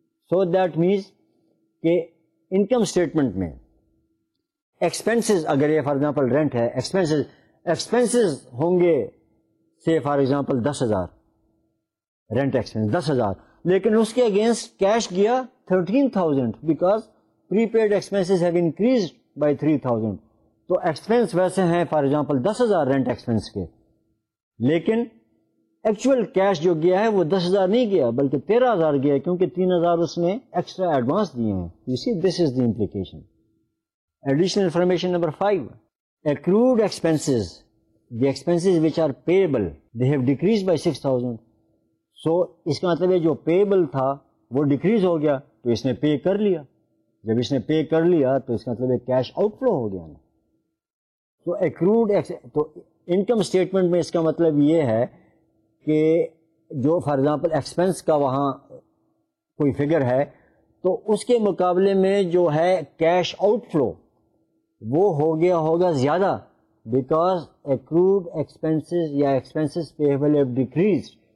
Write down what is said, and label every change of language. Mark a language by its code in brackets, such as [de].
[ur] So that means کہ income statement میں expenses, اگر یہ فار ایگزامپل رینٹ ہے، ایکسپینسز ہوں گے سے فار ایگزامپل 10000، رینٹ ایکسپینس 10000، لیکن اس کے اگینسٹ کیش گیا 13000 [en] Because prepaid expenses have increase by 3000. [ur] تو ایکسپینس ویسے ہیں فار ایگزامپل 10000 رینٹ ایکسپینس کے، لیکن ایکچوئل کیش جو گیا ہے وہ 10000 نہیں گیا بلکہ 13000 گیا، کیونکہ 3000 اس نے ایکسٹرا ایڈوانس دیے ہیں. [en] You see this is the implication. Additional information number 5، accrued expenses, the expenses which are payable, they have decrease by 6000. [ur] سو اس کا مطلب ہے جو پیبل تھا وہ ڈیکریز ہو گیا، تو اس نے پے کر لیا. جب اس نے پے کر لیا تو اس کا مطلب ہے کیش آؤٹ فلو ہو گیا نا. تو اکروڈ، تو انکم اسٹیٹمنٹ میں اس کا مطلب یہ ہے کہ جو فار ایگزامپل ایکسپینس کا وہاں کوئی فگر ہے، تو اس کے مقابلے میں جو ہے کیش آؤٹ فلو وہ ہو گیا ہوگا زیادہ، [en] Because accrued expenses یا expenses payable have decreased.